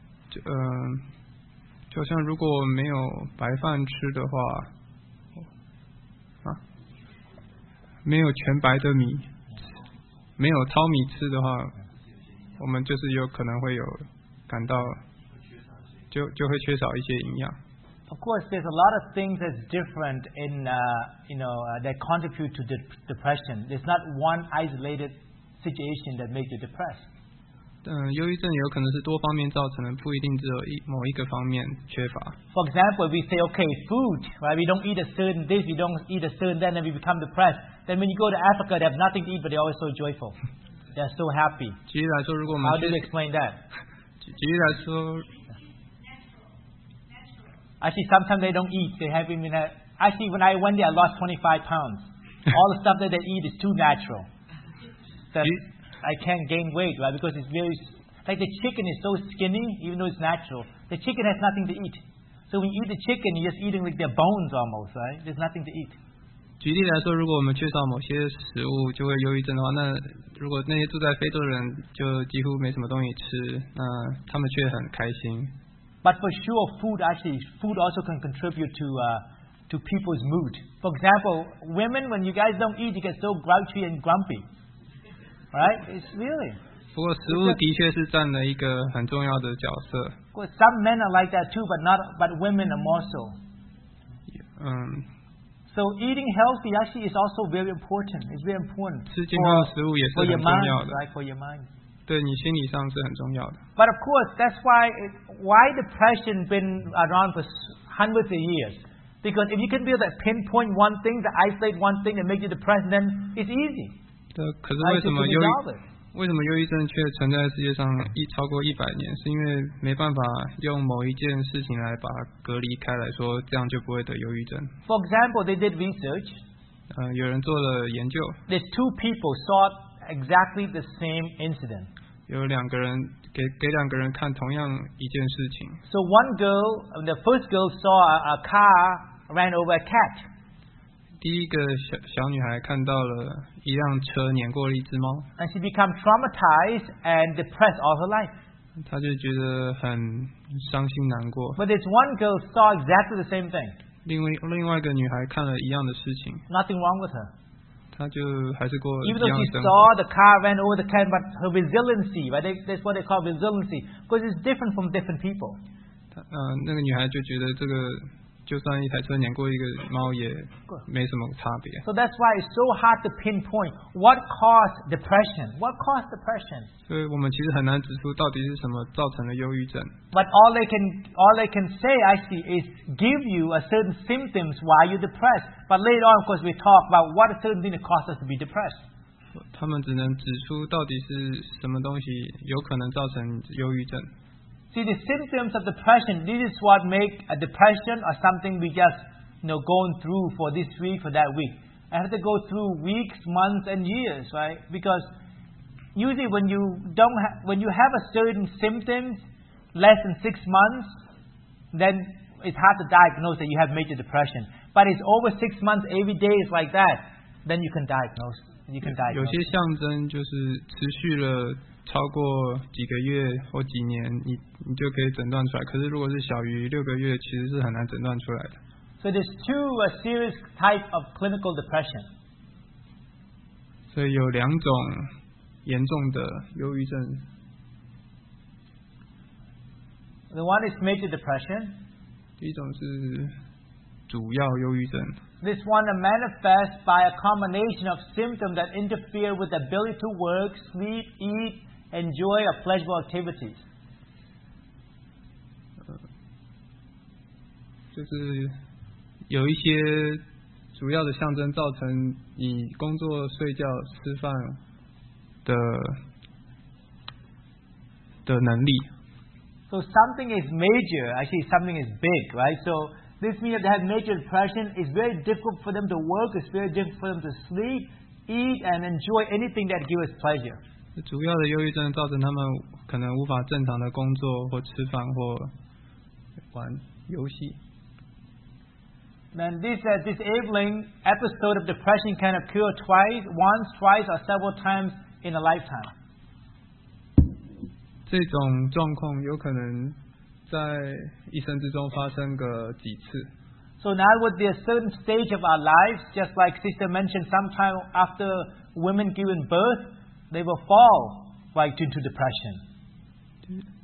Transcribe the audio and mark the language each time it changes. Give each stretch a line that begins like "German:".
Chinese: 就好像如果没有白饭吃的话，没有全白的米，没有糙米吃的话，我们就是有可能会有感到，就会缺少一些营养。
English: Of course, there's a lot of things that's different in that contribute to the depression. There's not one isolated situation that makes you depressed.
Chinese: 忧郁症有可能是多方面造成的，不一定只有某一个方面缺乏。
English: For example, we say, okay, food, right? We don't eat a certain this, we don't eat a certain that, and we become depressed. Then when you go to Africa, they have nothing to eat, but they're always so joyful. They're so happy.
Chinese: 举例来说，如果我们
English: How do you explain that?
Chinese: 举例来说
English: Actually, sometimes they don't eat. They haven't even had... Actually, when I went there, I lost 25 pounds. All the stuff that they eat is too natural. I can't gain weight, right? Because it's very... Like the chicken is so skinny, even though it's natural. The chicken has nothing to eat. So when you eat the chicken, you're just eating like their bones almost, right? There's nothing to eat.
Chinese: 举例来说，如果我们缺少某些食物就会忧郁症的话，那如果那些住在非洲的人就几乎没什么东西吃，那他们却很开心。
English: But for sure, food also can contribute to people's mood. For example, women, when you guys don't eat, you get so grouchy and grumpy. Right? It's really.
Chinese: 不过食物的确是占了一个很重要的角色。
English: Well, some men are like that too, but women are more so. So eating healthy actually is also very important. It's very important.
Chinese: 吃健康的食物也是很重要的。
English: Right, for your mind.
Chinese: 对你心理上是很重要的。
English: But of course, that's why depression been around for hundreds of years. Because if you can be able to pinpoint one thing, to isolate one thing that makes you depressed, then it's easy.
Chinese: 可是为什么忧为什么忧郁症却存在世界上超过100年？是因为没办法用某一件事情来把它隔离开来说，这样就不会得忧郁症。
English: For example, they did research.
Chinese: 有人做了研究。
English: The two people saw exactly the same incident.
Chinese: 有两个人给两个人看同样一件事情。
English: So one girl, the first girl saw a car ran over a cat.
Chinese: 第一个小女孩看到了。一辆车碾过了一只猫。
English: And she became traumatized and depressed all her life.
Chinese: 她就觉得很伤心难过。
English: But this one girl saw exactly the same thing.
Chinese: 另外一个女孩看了一样的事情。
English: Nothing wrong with her.
Chinese: 她就还是过一样的生活。
English: Even though she saw the car ran over the cat, but her resiliency, right? That's what they call resiliency, because it's different from different people.
Chinese: 那个女孩就觉得这个。就算一台车碾过一个猫也没什么差别。
English: So that's why it's so hard to pinpoint what caused depression. What caused depression?
Chinese: 所以我们其实很难指出到底是什么造成了忧郁症。
English: But all they can say actually is give you a certain symptoms why you're depressed. But later on, of course, we talk about what a certain thing causes us to be depressed.
Chinese: 他们只能指出到底是什么东西有可能造成忧郁症。
English: See the symptoms of depression. This is what make a depression or something we just, you know, going through for this week, for that week. I have to go through weeks, months, and years, right? Because usually when you have a certain symptoms less than 6 months, then it's hard to diagnose that you have major depression. But it's over 6 months, every day is like that, then you can diagnose. You can diagnose.
Chinese: 有些象征就是持续了。超过几个月或几年 你就可以诊断出来，可是如果是小于六个月其实是很难诊断出来的。
English: So there's two a serious type of clinical depression.
Chinese: 所以有两种严重的忧郁症。
English: The one is major depression.
Chinese: 第一种是主要忧郁症。
English: This one manifests by a combination of symptoms that interfere with the ability to work, sleep, eat, enjoy a pleasurable activities.
Chinese: 就是有一些主要的象征造成你工作、睡觉、吃饭的能力。
English: So something is major, actually something is big, right? So this means that they have major depression. It's very difficult for them to work. It's very difficult for them to sleep, eat, and enjoy anything that gives pleasure.
Chinese: 主要的忧郁症造成他们可能无法正常的工作或吃饭或玩游戏。
English: And this disabling episode of depression can occur twice, once, twice, or several times in a lifetime.
Chinese: 这种状况有可能在一生之中发生个几次。
English: So now with the certain stage of our lives, just like Sister mentioned, sometime after women giving birth,they will fall right into depression.